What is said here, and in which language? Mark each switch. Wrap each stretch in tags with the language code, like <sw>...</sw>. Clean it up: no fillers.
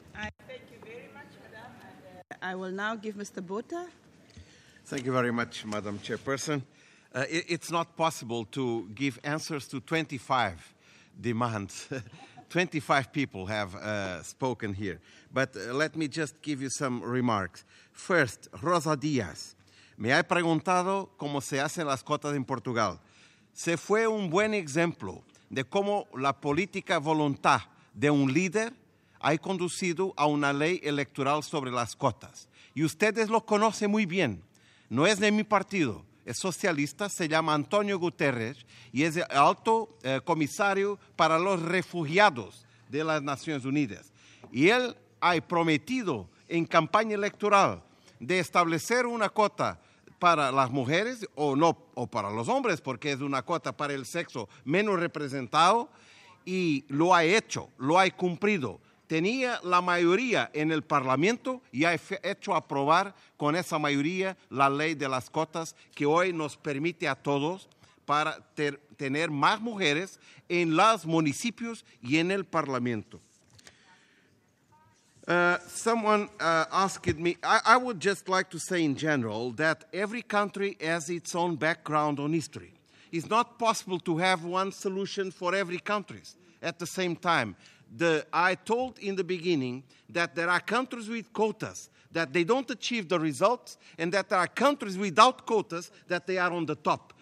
<en>I thank you very much, madam. And, I will now give Mr. Botha. Thank you very much, Madam Chairperson. It's not possible to give answers to 25 demands. 25 people have spoken here. But let me just give you some remarks. First, Rosa Diaz.</en> <es>Me he preguntado cómo se hacen las cuotas en Portugal. Se fue un buen ejemplo de cómo la política voluntad de un líder ha conducido a una ley electoral sobre las cotas. Y ustedes lo conocen muy bien. No es de mi partido, es socialista, se llama Antonio Guterres y es el alto comisario para los refugiados de las Naciones Unidas. Y él ha prometido en campaña electoral de establecer una cuota para las mujeres o no, o para los hombres, porque es una cuota para el sexo menos representado, y lo ha hecho, lo ha cumplido. Tenía la mayoría en el Parlamento y ha hecho aprobar con esa mayoría la ley de las cuotas que hoy nos permite a todos para tener más mujeres en los municipios y en el Parlamento.</es> <en>I would just like to say in general that every country has its own background on history. It's not possible to have one solution for every country at the same time. I told in the beginning that there are countries with quotas that they don't achieve the results, and that there are countries without quotas that they are on the top.</en>